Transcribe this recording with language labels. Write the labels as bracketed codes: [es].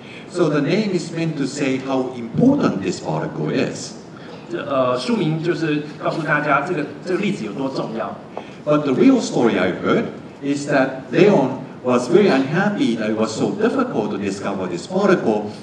[en] So the name is meant to say how important this particle is. [zh] 书名就是告诉大家这个粒子有多重要。 [en] But the real story I heard is that Leon was very unhappy that it was so difficult to discover this particle.